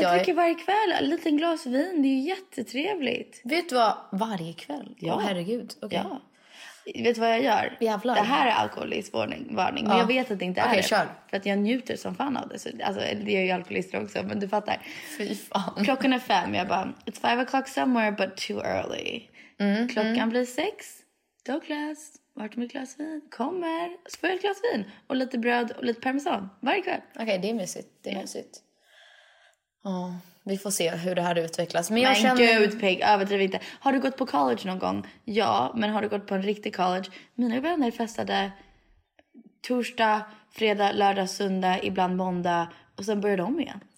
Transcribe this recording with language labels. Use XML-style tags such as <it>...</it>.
<sv>jag dricker varje kväll en liten glas vin. Det är ju jättetrevligt. Vet du vad, varje kväll? Ja. Oh, herregud, okej. Okay. Ja. Vet du vad jag gör? Jävlar. Det här är alkoholisk varning. Men ja. Jag vet att det inte är okay, det. Kör. För att jag njuter som fan av det. Så, alltså, det är ju alkoholister också, men du fattar. Fy fan. Klockan är 5. Jag bara,</sv> <en>it's 5 o'clock somewhere, but too early. Mm,</en> <sv>klockan blir 6. Douglas, vart är mitt glas vin? Kommer. Så får jag ett glas vin. Och lite bröd och lite parmesan. Varje kväll. Okej, det är mysigt. Det är mysigt. Ja. Vi får se hur det här utvecklas. Men jag känner... gud, Pig, överdriv inte. Har du gått på college någon gång? Ja, men har du gått på en riktig college? Mina vänner festade torsdag, fredag, lördag, söndag, ibland måndag. Och sen börjar de igen.</sv>